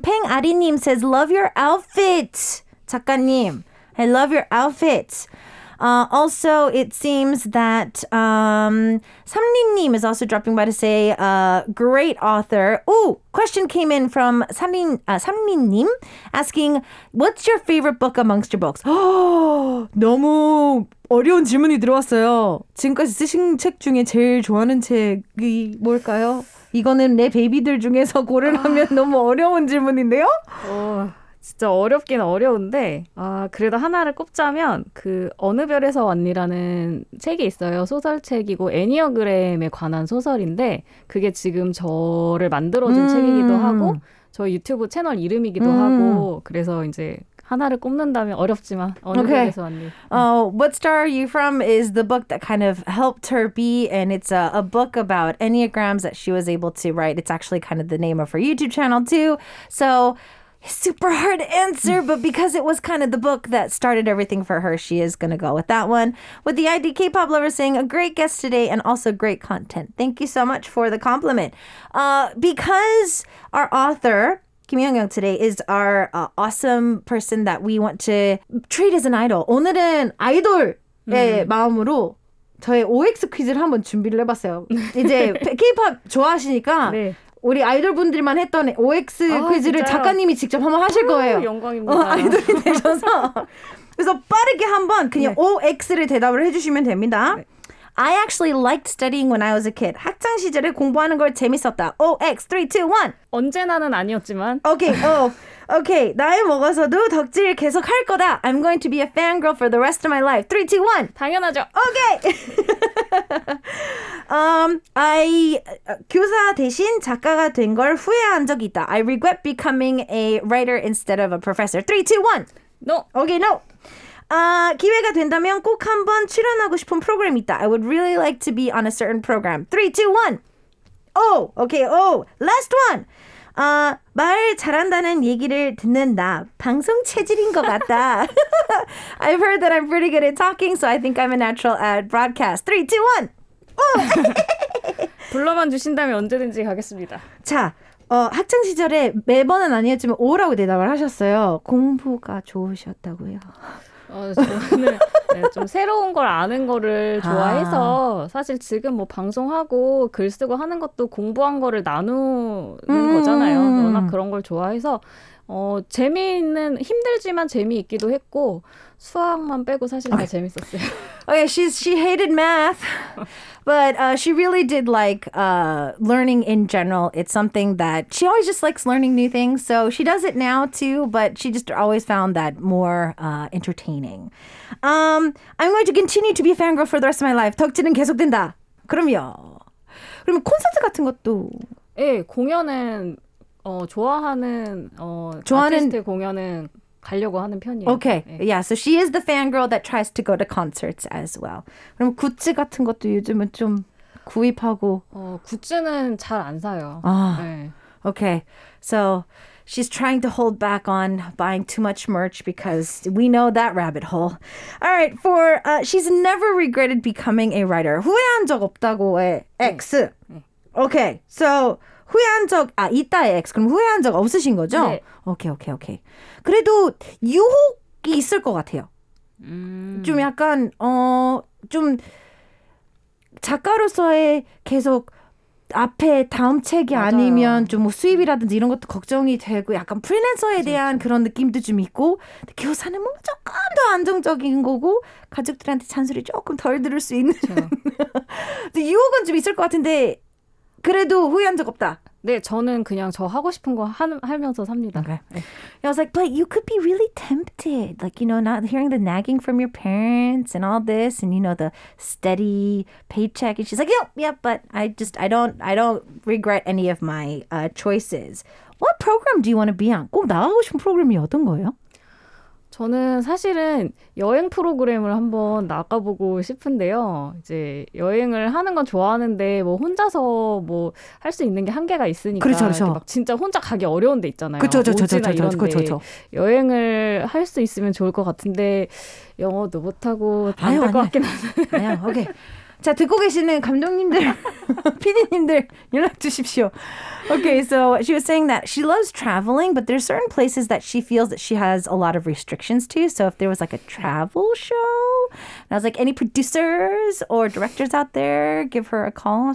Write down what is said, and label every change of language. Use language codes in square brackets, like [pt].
[en] Peng Ari-nim says, love your outfit. 작가님, I love your outfit. Also, it seems that Samni-nim is also dropping by to say, great author. Ooh, question came in from Samni-nim asking, what's your favorite book amongst your books? [ko] 너무 어려운 질문이 들어왔어요. 지금까지 쓰신 책 중에 제일 좋아하는 책이 뭘까요? 이거는 내 베이비들 중에서 고르라면 너무 어려운 질문인데요? 진짜 어렵긴 어려운데 아 그래도 하나를 꼽자면 그 어느 별에서 왔니라는 책이 있어요. 소설책이고 애니어그램에 관한 소설인데 그게 지금 저를 만들어준 책이기도 하고 저 유튜브 채널 이름이기도 하고 그래서 이제 하나를 꼽는다면 어렵지만 어느 okay. 곳에서 왔니? [en] What Star Are You From is the book that kind of helped her be, and it's a book about Enneagrams that she was able to write. It's actually kind of the name of her YouTube channel too. So super hard answer, but because it was kind of the book that started everything for her, she is going to go with that one. With the ID K-pop lover saying, a great guest today and also great content. Thank you so much for the compliment. Because our author, Kim Young-young today, is our awesome person that we want to treat as an idol. [ko] 오늘은 아이돌의 마음으로 저의 OX 퀴즈를 한번 준비를 해봤어요. 이제 K-pop 좋아하시니까 네. 우리 아이돌 분들만 했던 OX 퀴즈를 진짜요? 작가님이 직접 한번 하실 거예요. 영광입니다. 아이돌이 되셔서. 그래서 빠르게 한번 그냥 네. OX를 대답을 해주시면 됩니다. 네. [en] I actually liked studying when I was a kid. [ko] 학창 시절에 공부하는 걸 재밌었다. [en] OX, 3, 2, 1. [ko] 언제나는 아니었지만. [en] Okay, oh. Okay, [ko] 나이 먹어서도 덕질 계속 할 거다. [en] I'm going to be a fangirl for the rest of my life. 3, 2, 1. [ko] 당연하죠. [en] Okay. [ko] I 교사 대신 작가가 된 걸 후회한 적 있다. [en] I regret becoming a writer instead of a professor. 3, 2, 1. No. Okay, no. [ko] 기회가 된다면 꼭 한번 출연하고 싶은 프로그램 있다. [en] I would really like to be on a certain program. 3, 2, 1. Oh, okay, oh. Last one. [ko] 말 잘한다는 얘기를 듣는다. 방송 체질인 것 같다. [en] I've heard that I'm pretty good at talking, so I think I'm a natural at broadcast. 3, 2, 1. [ko] 불러만 주신다면 언제든지 가겠습니다. 자, 학창 시절에 매번은 아니었지만 오라고 대답을 하셨어요. 공부가 좋으셨다고요. 저는 네, 좀 새로운 걸 아는 거를 좋아해서 사실 지금 뭐 방송하고 글 쓰고 하는 것도 공부한 거를 나누는 거잖아요. 워낙 그런 걸 좋아해서 재미있는 힘들지만 재미있기도 했고 수학만 빼고 사실 okay. 다 재밌었어요. [en] Okay, she hated math, but she really did like learning in general. It's something that she always just likes learning new things. So she does it now too, but she just always found that more entertaining. I'm going to continue to be a fangirl for the rest of my life. [ko] 덕질은 계속된다. 그럼요. 그럼 콘서트 같은 것도? 예, 공연은 좋아하는 아티스트 공연은 가려고 하는 편이에요. [en] Okay. [ko] 네. [en] Yeah, so she is the fangirl that tries to go to concerts as well. [ko] 그럼 굿즈 같은 것도 요즘은 좀 구입하고 굿즈는 잘 안 사요. 아. 네. Okay. [en] So she's trying to hold back on buying too much merch because we know that rabbit hole. All right, for she's never regretted becoming a writer. [ko] 후회한 적 없다고의 X. 네. 네. Okay. So 후회한 적, 있다의 X. 그럼 후회한 적 없으신 거죠? 네. 오케이, 오케이, 오케이. 그래도 유혹이 있을 것 같아요. 좀 약간, 좀 작가로서의 계속 앞에 다음 책이 맞아요. 아니면 좀 뭐 수입이라든지 이런 것도 걱정이 되고 약간 프리랜서에 맞아요. 대한 그런 느낌도 좀 있고 교사는 뭔가 조금 더 안정적인 거고 가족들한테 잔소리 조금 덜 들을 수 있는 유혹은 좀 있을 것 같은데 그래도 후회한 적 없다. 네, 저는 그냥 저 하고 싶은 거 하면서 삽니다. [en] Okay. I was like, but you could be really tempted. Like, you know, not hearing the nagging from your parents and all this. And, you know, the steady paycheck. And she's like, yep, yep. But I don't regret any of my choices. What program do you want to be on? [ko] 꼭 나가고 싶은 프로그램이 어떤 거예요? 저는 사실은 여행 프로그램을 한번 나가보고 싶은데요. 이제 여행을 하는 건 좋아하는데 뭐 혼자서 뭐 할 수 있는 게 한계가 있으니까 그렇죠, 그렇죠. 막 진짜 혼자 가기 어려운 데 있잖아요. 그렇죠, 그렇죠, 그렇죠, 그렇죠, 이런 데 그렇죠, 그렇죠. 여행을 할 수 있으면 좋을 것 같은데 영어도 못하고 안 될 것 같긴 하네요. 오케이. 자, 듣고 계시는 감독님들, PD님들 연락 주십시오. [en] Okay, so she was saying that she loves traveling, but there's certain places that she feels that she has a lot of restrictions to. So if there was like a travel show, and I was like, any producers or directors out there, give her a call.